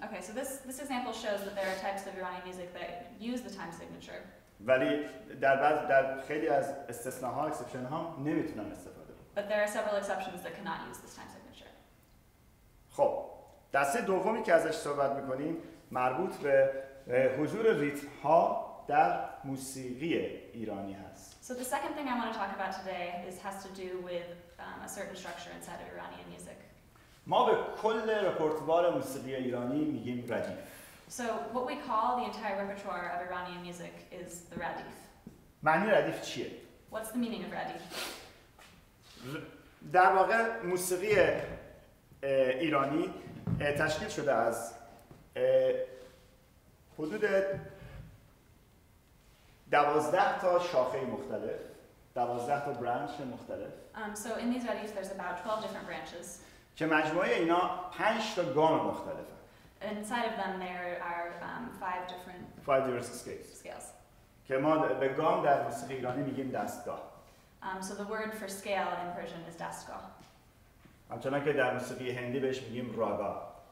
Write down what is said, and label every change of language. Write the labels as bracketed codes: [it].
[en] Okay, so this example shows that there are types of Iranian music that use the time signature. [fa] ولی در خیلی از استثناها اکسپشن ها نمیتونن استفاده بکنن. [en] But there are several exceptions that cannot use this time signature. [fa] خب دسته دومی که ازش صحبت میکنیم مربوط به حضور ریتم ها در موسیقی ایرانی هست. [en] So the second thing I want to talk about today has to do with a certain structure inside of Iranian music. [fa] ما به کل رپرتوار موسیقی ایرانی میگیم ردیف. [en] So what we call the entire repertoire of Iranian music is the ردیف. [fa] معنی ردیف چیه؟ [en] What's the meaning of ردیف؟ [fa] در واقع موسیقی ایرانی تشکیل شده از حدود 12 تا شاخه مختلف، 12 تا برانچ مختلف. [en] So in these ردیف there's about 12 different branches. [fa] که مجموعه اینا 5 تا گام مختلفه. [en] Inside of them there are 5 different scales. [fa] که ما به گام در موسیقی ایرانی میگیم دستگاه. [en] So the word for scale in Persian is دستگاه. [fa] همچنان که در موسیقی هندی بهش میگیم راگا.